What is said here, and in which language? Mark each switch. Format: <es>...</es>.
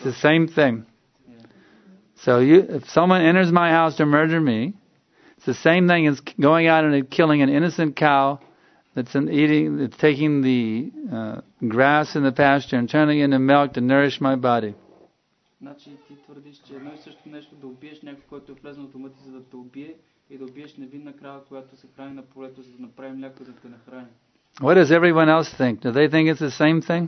<en>It's the same thing. Yeah. So you, if someone enters my house to murder me, it's the same thing as going out and killing an innocent cow that's an eating, that's taking the grass in the pasture and turning it into milk to nourish my body.</en> <bg>Значи ти твърдиш, че едно и също нещо да убиеш някой, който е влезнал в дома ти, за да те убие, и да убиеш невинна крава, която се храни на полето, за да направи мляко, да те нахрани.</bg> <en>What does everyone else think? Do they think it's the same thing?</en>